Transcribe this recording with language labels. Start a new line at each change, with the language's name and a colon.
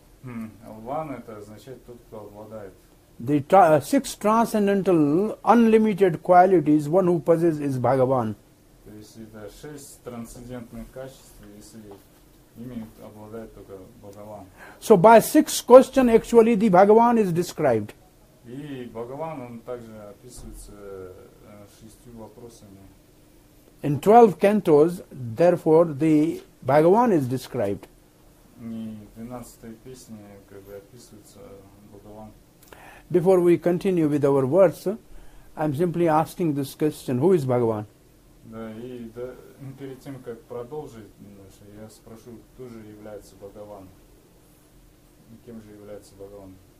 Russian: One это означает тот, кто обладает.
English: The six transcendental unlimited qualities, one who possesses is Bhagavan.
Russian: То есть это шесть трансцендентных качеств, если ими обладает только Бхагаван.
English: So by six question actually the Bhagavan is described.
Russian: И Бхагаван он также описывается шестью вопросами.
English: In 12 cantos, therefore, the Bhagavan is described.
Russian: И 12-я песня как бы описывается Бхагаван.
English: Before we continue with our words, I'm simply asking this question, who is Bhagavan?
Russian: Да, и перед тем, как продолжить, я спрошу, кто же является Бхагаван? Кем же является Бхагаван?